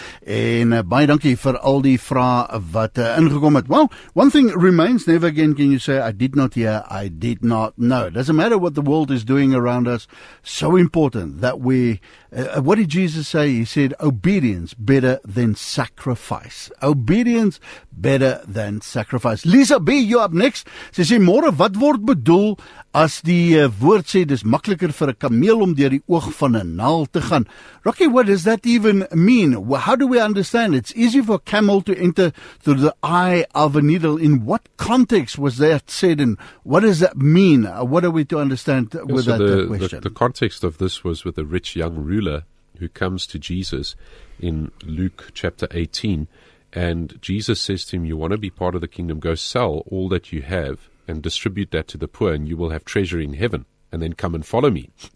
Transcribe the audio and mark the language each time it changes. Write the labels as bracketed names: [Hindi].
[Afrikaans] En baie dankie vir al die vrae wat ingekom het. [English] Well, one thing remains, never again can you say, I did not hear, I did not know. Doesn't matter what the world is doing around us, so important that we, what did Jesus say? He said, obedience better than sacrifice. Obedience better than sacrifice. Lisa B, you up next. [Afrikaans] Sy sê, môre, wat word bedoel as die woord sê, dis makkeliker vir 'n kameel om deur die oog van 'n naal te gaan. [English] Rocky, what does that even mean? How do we understand? It's easy for a camel to enter through the eye of a needle. In what context was that said, and what does that mean? What are we to understand with that question? The context of this was with a rich young ruler who comes to Jesus in Luke chapter 18, and Jesus says to him, you want to be part of the kingdom, go sell all that you have and distribute that to the poor, and you will have treasure in heaven, and then come and follow me.